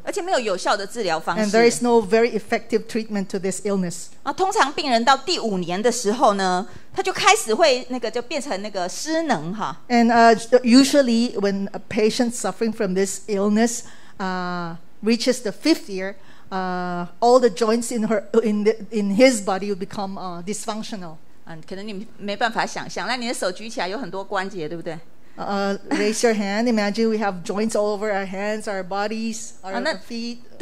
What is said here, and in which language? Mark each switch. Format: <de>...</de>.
<en>And there is no very effective treatment to this illness.</en> <zh>通常病人到第五年的时候呢，他就开始会那个就变成那个失能。</zh> <en>And usually when a patient suffering from this illness reaches the fifth year, all the joints in his body will become dysfunctional.</en> <zh>可能你没办法想象，那你的手举起来有很多关节，对不对？</zh> <en>Raise your hand. Imagine we have joints all over our hands, our bodies, our feet.</en>